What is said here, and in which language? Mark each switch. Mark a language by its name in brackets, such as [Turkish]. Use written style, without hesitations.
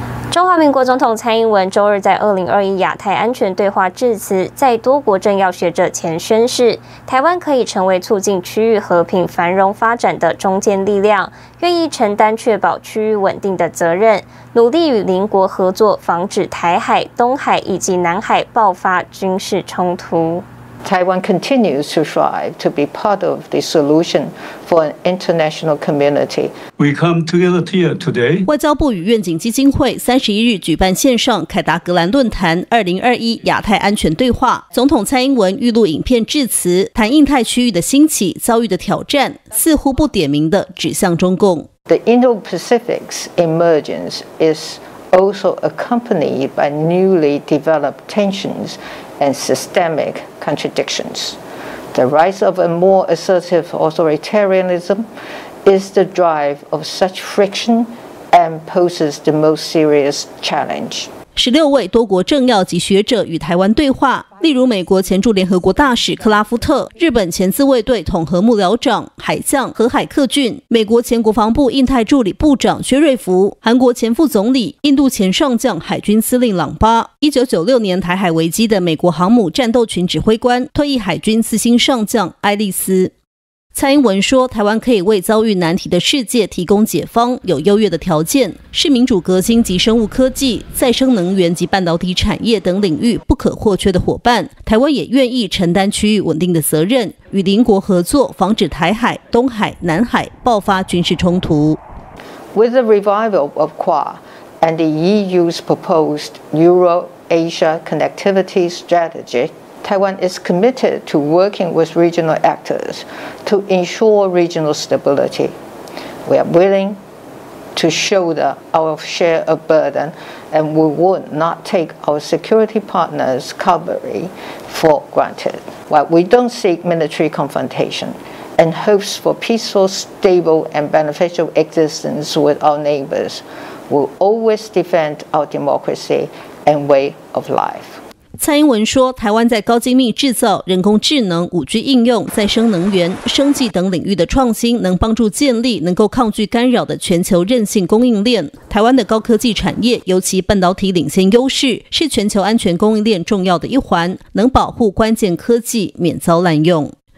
[Chinese] 中华民国总统蔡英文周日在2021亚太安全对话致辞，在多国政要学者前宣示，台湾可以成为促进区域和平繁荣发展的中坚力量，愿意承担确保区域稳定的责任，努力与邻国合作，防止台海、东海以及南海爆发军事冲突。 [English] Taiwan continues to strive to be part of the solution for an international community. We come together here today. [Chinese] 外交部与愿景基金会31日举办线上凯达格兰论坛2021亚太安全对话。总统蔡英文预录影片致辞，谈印太区域的兴起、遭遇的挑战，似乎不点名的指向中共。 [English] The Indo-Pacific's emergence is also accompanied by newly developed tensions. And systemic contradictions. The rise of a more assertive authoritarianism is the drive of such friction and poses the most serious challenge. [Chinese] 16位多国政要及学者与台湾对话，例如美国前驻联合国大使克拉夫特、日本前自卫队统合幕僚长海将和海克俊、美国前国防部印太助理部长薛瑞福、韩国前副总理、印度前上将海军司令朗巴、1996年台海危机的美国航母战斗群指挥官、退役海军四星上将埃利斯。蔡英文说，台湾可以为遭遇难题的世界提供解方，有优越的条件，是民主革新及生物科技、再生能源及半导体产业等领域不可或缺的伙伴。台湾也愿意承担区域稳定的责任，与邻国合作，防止台海、东海、南海爆发军事冲突。 [English] With the revival of Quad and the EU's proposed Euro-Asia connectivity strategy,Taiwan is committed to working with regional actors to ensure regional stability. We are willing to shoulder our share of burden, and we would not take our security partners' cavalry for granted. While we don't seek military confrontation and hopes for peaceful, stable, and beneficial existence with our neighbors, will always defend our democracy and way of life. [Chinese] 蔡英文说，台湾在高精密制造、人工智能、5G 应用、再生能源、生技等领域的创新，能帮助建立能够抗拒干扰的全球韧性供应链。台湾的高科技产业，尤其半导体领先优势，是全球安全供应链重要的一环，能保护关键科技免遭滥用。